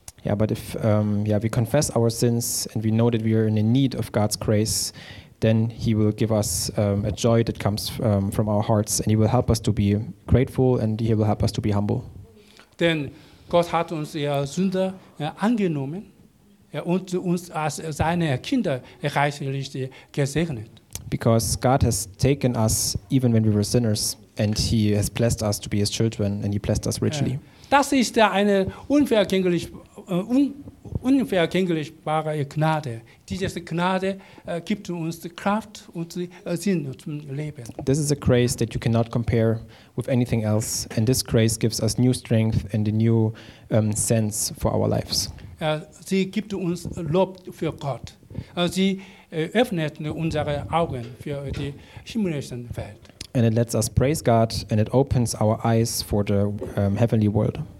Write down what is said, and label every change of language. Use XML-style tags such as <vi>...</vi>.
<en>Yeah, but if we confess our sins and we know that we are in need of God's grace, then He will give us a joy that comes from our hearts, and He will help us to be grateful, and He will help us to be humble.</en> <de>Denn Gott hat uns Sünde angenommen und uns als seine Kinder reichlich gesegnet.</de> <en>Because God has taken us even when we were sinners, and He has blessed us to be His children, and He blessed us richly.</en> <de>Das ist eine unvergänglichbare Gnade. Diese Gnade gibt uns Kraft und Sinn zum Leben.</de> <en>This is a grace that you cannot compare with anything else, and this grace gives us new strength and a new sense for our lives.</en> <de>Sie gibt uns Lob für Gott. Sie öffnet unsere Augen für die himmlische Welt.</de> <en>And it lets us praise God, and it opens our eyes for the heavenly world.</en>